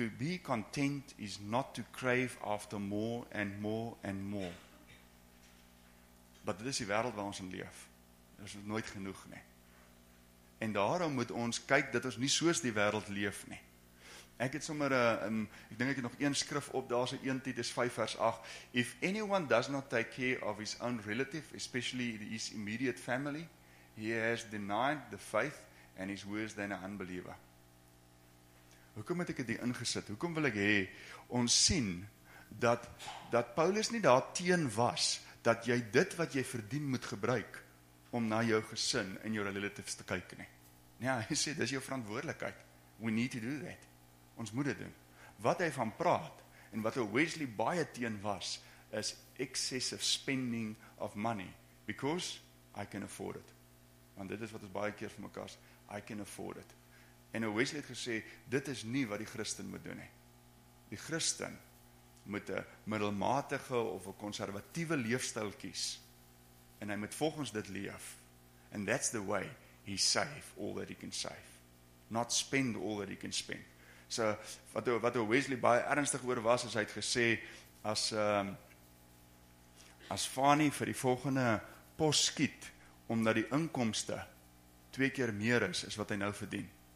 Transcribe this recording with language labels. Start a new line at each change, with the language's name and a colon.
English: to be content is not to crave after more and more and more.
Afrikaans: But dit is die wêreld waar ons in leef. Dit is nooit genoeg nie. En daarom moet ons kyk dat ons nie soos die wêreld leef nie. Ek het sommer, ek denk ek het nog een skrif op, daar is 1 Titus 5 vers 8.
English: If anyone does not take care of his own relative, especially his immediate family, he has denied the faith and is worse than an unbeliever.
Afrikaans: Hoekom het ek dit hier ingesit? Hoekom wil ek hê ons sien dat Paulus nie daar teen was, dat jy dit wat jy verdien moet gebruik om na jou gesin en jou relatives te kyk nie. Ja, hy sê, dis jou verantwoordelikheid.
English: We need to do that.
Afrikaans: Ons moet dit doen. Wat hy van praat, en wat Wesley baie teen was, is
English: excessive spending of money, because I can afford it.
Afrikaans: Want dit is wat ons baie keer vir mekaar sê,
English: I can afford it.
Afrikaans: En Wesley het gesê, dit is nie wat die Christen moet doen. Die Christen moet 'n middelmatige of 'n konservatiewe leefstyl kies, en hy moet volgens dit leef.
English: And that's the way he save all that he can save. Not spend all that he can spend.
Afrikaans: So, wat Wesley baie ernstig oor was, is hy het gesê, as Fanny vir die volgende pos skiet, omdat die inkomste twee keer meer is wat hy nou verdien.